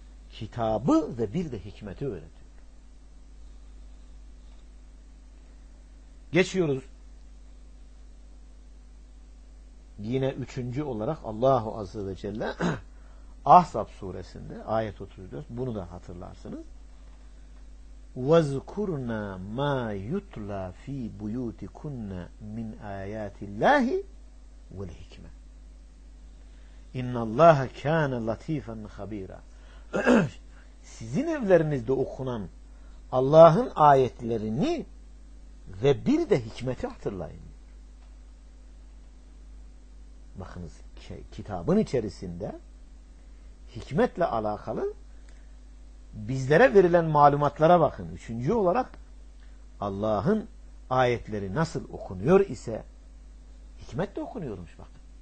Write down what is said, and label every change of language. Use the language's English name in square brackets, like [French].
[Turkish] Kitabı ve bir de hikmeti öğretiyor. Geçiyoruz. Yine üçüncü olarak Allahu Azze ve Celle Ahzab suresinde ayet 34, bunu da hatırlarsınız. [Arabic] وَذْكُرْنَا مَا يُتْلَى ف۪ي بُيُوتِكُنَّ مِنْ آيَاتِ اللّٰهِ وَالْحِكْمَةِ اِنَّ اللّٰهَ كَانَ لَت۪يفًا خَب۪يرًا [Turkish] Sizin evlerinizde okunan Allah'ın ayetlerini ve bir de hikmeti hatırlayın. Bakınız kitabın içerisinde hikmetle alakalı bizlere verilen malumatlara bakın. Üçüncü olarak Allah'ın ayetleri nasıl okunuyor ise hikmet de okunuyormuş bakın.